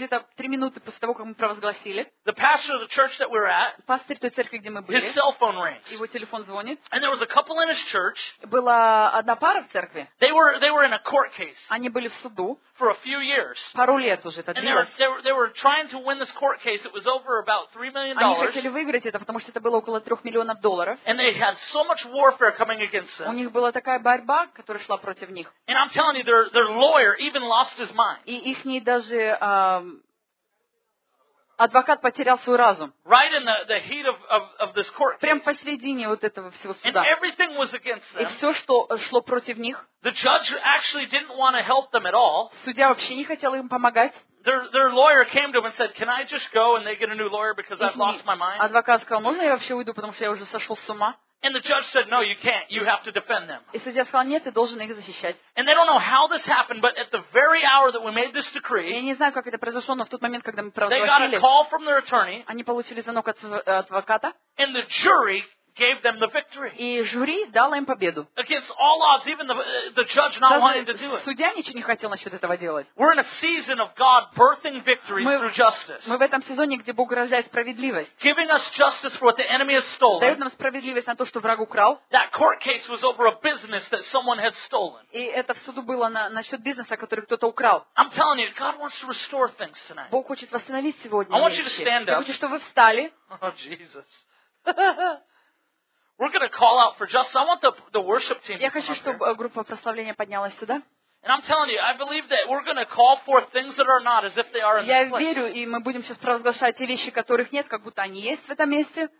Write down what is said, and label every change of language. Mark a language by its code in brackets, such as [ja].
[ru] Я говорю, 3 минуты после того, как мы провозгласили. [en] The pastor of the church that we were at. [ru] Пастор той церкви, где мы были. [en] His cell phone rings. [ru] Его телефон звонит. [en] And there was a couple in his church. [ru] Была одна пара в церкви. [en] They were in a court case. [ru] Они были в суду. [en] For a few years. [ru] Пару лет уже это длилось. [en] And they were trying to win this court case. It was over about $3 million. [ru] Они хотели выиграть это, потому что это было около $3 миллионов. [en] And they had so much warfare coming against them. [ru] У них была такая борьба, которая шла против них. [en] And I'm telling you, their lawyer even lost his mind. [ru] И их не даже адвокат потерял свой разум. [en] Right in the heat of this court case. [ru] Прямо посредине вот этого всего суда. [en] And everything was against them. [ru] И все, что шло против них. [en] The judge actually didn't want to help them at all. [ru] Судья вообще не хотел им помогать. [en] Their lawyer came to him and said, "Can I just go and they get a new lawyer because I've lost my mind?" [ru] Адвокат сказал, "Можно я вообще уйду, потому что я уже сошел с ума?" [en] And the judge said, "No, you can't. You have to defend them." [ru] И судья сказал, "Нет, ты должен их защищать." [en] And they don't know how this happened, but at the very hour that we made this decree, [ru] я не знаю, как это произошло, но в тот момент, когда мы провозгласили, [en] they got a call from their attorney. [ru] Они получили звонок от адвоката. [en] And the jury gave them the victory. [ru] И жюри дало им победу. [en] Against all odds, even the judge not wanting to do it. [ru] Судья ничего не хотел насчет этого делать. [en] We're in a season of God birthing victories through justice. [ru] Мы в этом сезоне, где Бог рождает справедливость. [en] Giving us justice for what the enemy has stolen. [ru] Дает нам справедливость на то, что враг украл. [en] That court case was over a business that someone had stolen. [ru] И это в суду было насчет бизнеса, который кто-то украл. [en] I'm telling you, God wants to restore things tonight. [ru] Бог хочет восстановить сегодня. [en] I want you to stand up. [ru] Я хочу, чтобы вы встали. [en] Oh, Jesus. We're going to call out for justice. I want the worship team. [ru] Я хочу, чтобы группа прославления поднялась сюда. [en] And I'm telling you, I believe that we're going to call for things that are not as if they are in this place. [ru] Я верю, и мы будем сейчас провозглашать те вещи, которых нет, как будто они есть в этом месте.